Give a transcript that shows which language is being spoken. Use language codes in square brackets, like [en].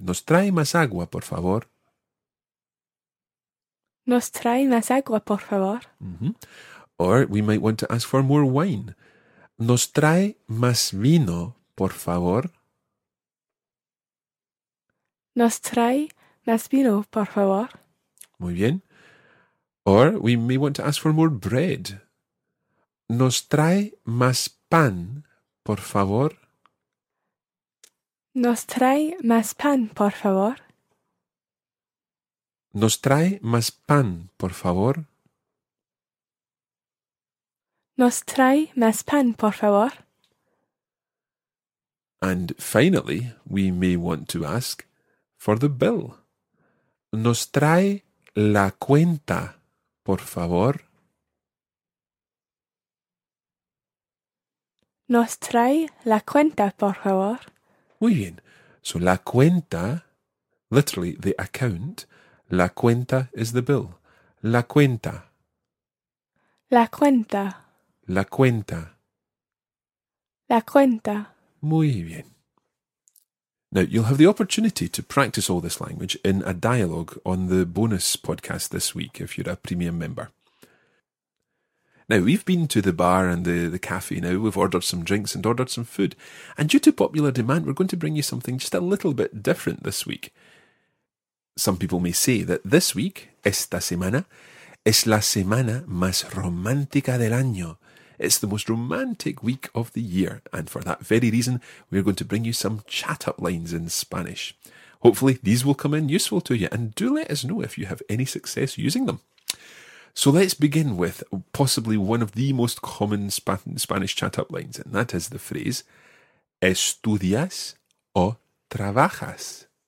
[es] Nos trae más agua, por favor. Nos trae más agua, por favor. Mm-hmm. [en] Or we might want to ask for more wine. [es] Nos trae más vino, por favor. Nos trae más vino, por favor. Muy bien. [en] Or we may want to ask for more bread. [es] Nos trae más pan, por favor. Nos trae más pan, por favor. Nos trae más pan, por favor. Nos trae más pan, por favor. [en] And finally, we may want to ask for the bill. [es] Nos trae la cuenta, por favor. Nos trae la cuenta, por favor. Muy bien. So la cuenta, [en] literally the account, [es] la cuenta [en] is the bill. [es] La cuenta. La cuenta. La cuenta. La cuenta. Muy bien. [en] Now, you'll have the opportunity to practice all this language in a dialogue on the bonus podcast this week if you're a premium member. Now, we've been to the bar and the cafe now. We've ordered some drinks and ordered some food. And due to popular demand, we're going to bring you something just a little bit different this week. Some people may say that this week, [es] esta semana, es la semana más romántica del año. [en] It's the most romantic week of the year. And for that very reason, we're going to bring you some chat-up lines in Spanish. Hopefully, these will come in useful to you. And do let us know if you have any success using them. So let's begin with possibly one of the most common Spanish chat-up lines, and that is the phrase, [es] ¿Estudias o trabajas?